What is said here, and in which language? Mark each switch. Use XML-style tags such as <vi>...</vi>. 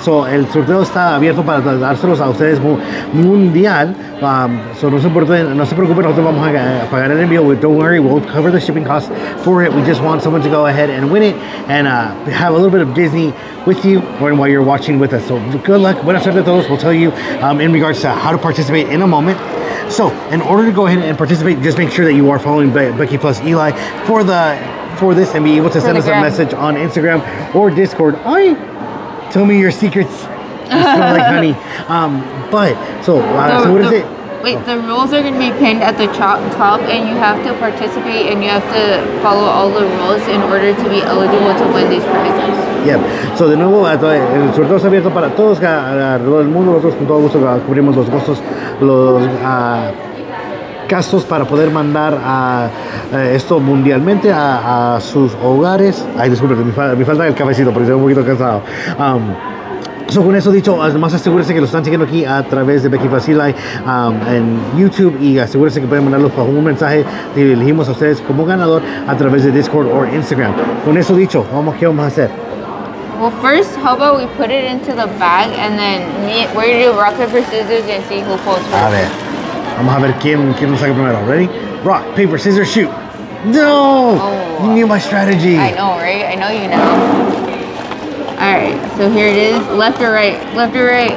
<es>So el sorteo está abierto para dárselos a ustedes mundial. So no se preocupen, nosotros vamos a pagar el envío.</es> <en>Don't worry, we'll cover the shipping costs for it. We just want someone to go ahead and win it and have a little bit of Disney with you while you're watching with us. So good luck.</en> <es>Buena suerte a todos.</es> <en>We'll tell you in regards to how to participate in a moment. So in order to go ahead and participate, just make sure that you are following Becky Plus Eli for this and be able to send us a message on Instagram or Discord. Oi, tell me your secrets. You smell like honey. The rules are going to be pinned at the top and you have to participate and you have to follow all the rules in order to be eligible to win these prizes. Yep.</en> <es>So de nuevo, el sorteo está abierto para todos alrededor del mundo. Nosotros con todo gusto cubrimos los costos, los gastos para poder mandar esto mundialmente a sus hogares. Ay, disculpe, me falta el cafecito porque estoy un poquito cansado. So con eso dicho, además asegúrese que lo están siguiendo aquí a través de Becky Facilay en YouTube y asegúrese que pueden mandarlos con un mensaje que elegimos a ustedes como ganador a través de Discord o Instagram. Con eso dicho, ¿qué vamos a hacer?</es> <en>Well, first, how about we put it into the bag and then we're going to do rock, paper, scissors and see who pulls first.</en> <es>A ver. Vamos a ver quién nos saca primero.</es> <en>Ready? Rock, paper, scissors, shoot. No! Oh. You knew my strategy. I know, right? I know you know. All right. So here it is. Left or right? Left or right?</en>